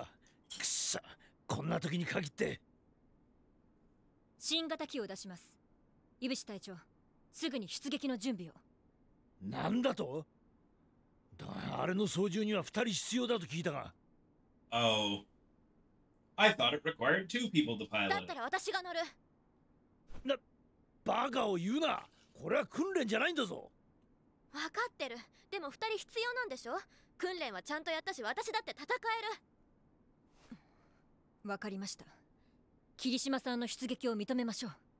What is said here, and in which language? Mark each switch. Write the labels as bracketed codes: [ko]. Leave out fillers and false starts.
[ja] くっさ、こんな時に限って。新型機を出します。指示隊長、すぐに出撃の準備を。なんだと？だがあれの操縦には2人必要だと聞いたが。 [en] Oh. I thought it required two people to pilot. [ja] だったら私が乗る。な、バカを言うな。これは訓練じゃないんだぞ。わかってる。でも二人必要なんでしょ？訓練はちゃんとやったし、私だって戦える。わかりました。霧島さんの出撃を認めましょう。